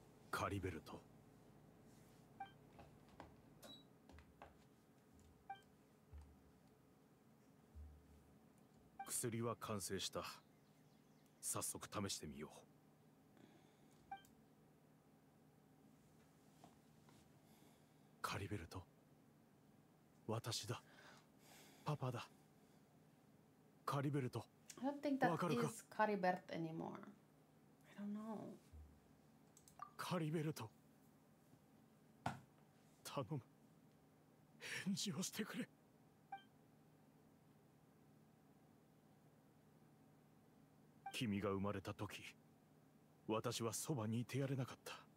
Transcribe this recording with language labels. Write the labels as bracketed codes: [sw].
[ja] カリベルト、薬は完成した。早速試してみよう。カリベルト、私だ、パパだ。カリベルト、わかるか？ [en] I don't think that is Caribert anymore. I don't know. [ja] カリベルト、頼む、返事をしてくれ。君が生まれた時、私はそばにいてやれなかった。